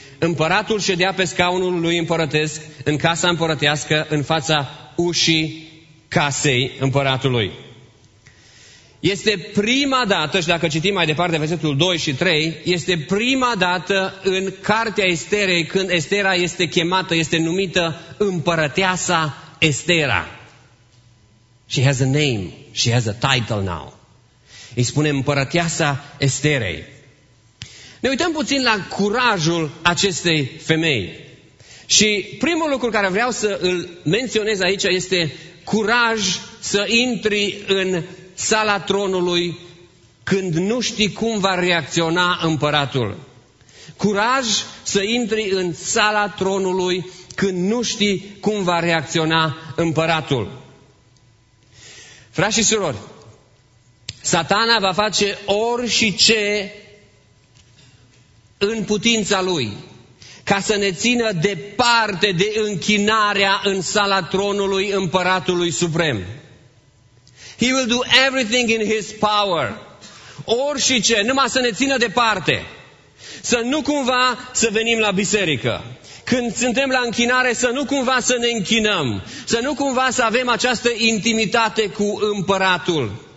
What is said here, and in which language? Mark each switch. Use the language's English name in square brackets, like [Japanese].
[Romanian] Împăratul ședea pe scaunul lui împărătesc în casa împărătească în fața ușii casei împăratului. Este prima dată, și dacă citim mai departe versetul 2 și 3, este prima dată în Cartea Esterei când Estera este chemată, este numită împărăteasa Estera. [English] She has a name, she has a title now. [Romanian] Îi spune împărăteasa Esterei. Ne uităm puțin la curajul acestei femei. Și primul lucru care vreau să îl menționez aici este curaj să intri în sala tronului când nu știi cum va reacționa împăratul. Curaj să intri în sala tronului când nu știi cum va reacționa împăratul. Frați și surori, Satana va face orice în putința lui ca să ne țină departe de închinarea în sala tronului împăratului suprem. [English] He will do everything in his power. [Romanian] Orice, numai să ne țină departe. Să nu cumva să venim la biserică. Când suntem la închinare, să nu cumva să ne închinăm. Să nu cumva să avem această intimitate cu împăratul.